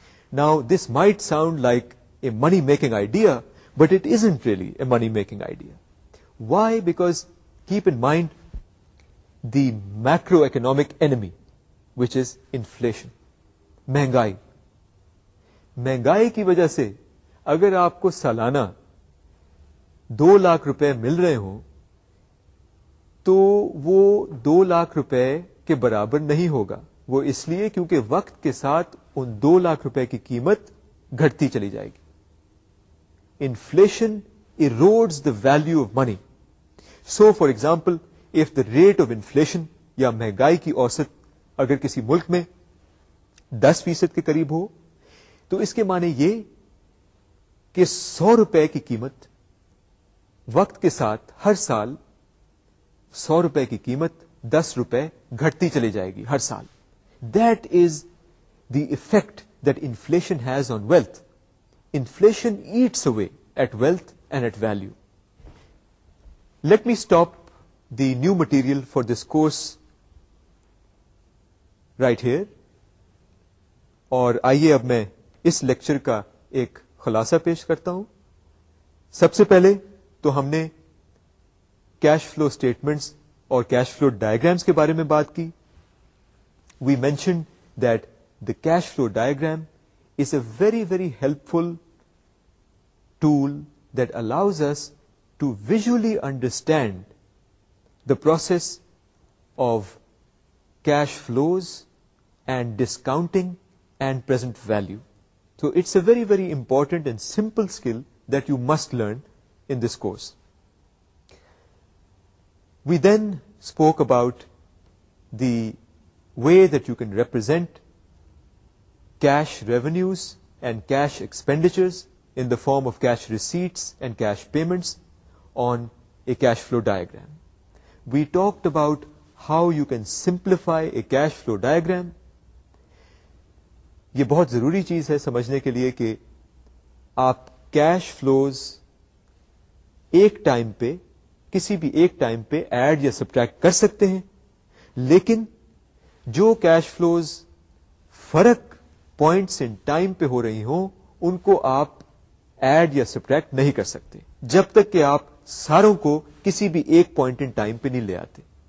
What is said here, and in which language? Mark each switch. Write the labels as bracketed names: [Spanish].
[English] Now, this might sound like a money-making idea, but it isn't really a money-making idea. Why? Because keep in mind the macroeconomic enemy, which is inflation, مہنگائی. [Urdu] مہنگائی کی وجہ سے اگر آپ کو سالانہ 2 لاکھ روپے مل رہے ہوں تو وہ 2 لاکھ روپے کے برابر نہیں ہوگا. وہ اس لیے کیونکہ وقت کے ساتھ ان 2 لاکھ روپے کی قیمت گھٹتی چلی جائے گی. [English] Inflation erodes the value of money. So for example, if the rate of inflation [Urdu] یا مہنگائی کی اوسط اگر کسی ملک میں 10% کے قریب ہو تو اس کے معنی یہ کہ 100 روپے کی قیمت وقت کے ساتھ ہر سال 100 روپے کی قیمت 10 روپے گھٹتی چلی جائے گی ہر سال. [English] That is the effect that inflation has on wealth. Inflation eats away at wealth and at value. Let me stop the new material for this course right here. [Urdu] اور آئیے اب میں اس لیکچر کا ایک خلاصہ پیش کرتا ہوں. سب سے پہلے تو ہم نے کیش فلو اسٹیٹمنٹس اور کیش فلو ڈائیگرامس کے بارے میں بات کی. [English] We mention that the cash flow diagram is a very very helpful tool that allows us to visually understand the process of cash flows and discounting and present value. So it's a very, very important and simple skill that you must learn in this course. We then spoke about the way that you can represent cash revenues and cash expenditures in the form of cash receipts and cash payments on a cash flow diagram. We talked about how you can simplify a cash flow diagram. [Urdu] یہ بہت ضروری چیز ہے سمجھنے کے لیے کہ آپ کیش فلوز ایک ٹائم پہ کسی بھی ایک ٹائم پہ ایڈ یا سبٹریکٹ کر سکتے ہیں, لیکن جو کیش فلوز فرق پوائنٹس ان ٹائم پہ ہو رہی ہوں ان کو آپ ایڈ یا سبٹریکٹ نہیں کر سکتے جب تک کہ آپ ساروں کو کسی بھی ایک پوائنٹ ان ٹائم پہ نہیں لے آتے.